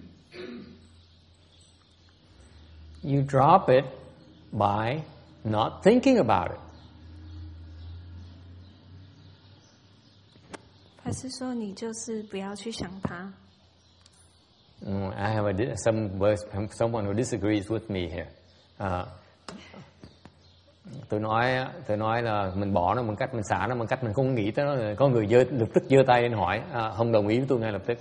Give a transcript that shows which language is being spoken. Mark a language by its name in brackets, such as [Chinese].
[English] 35%, you drop it by not thinking about it. [Chinese] 还是说你就是不要去想它？ [English] I have someone who disagrees with me here. [Vietnamese] Tôi nói là mình bỏ nó bằng cách mình xả nó bằng cách mình không nghĩ tới nó. Có người lập tức giơ tay lên hỏi, không đồng ý với tôi ngay lập tức.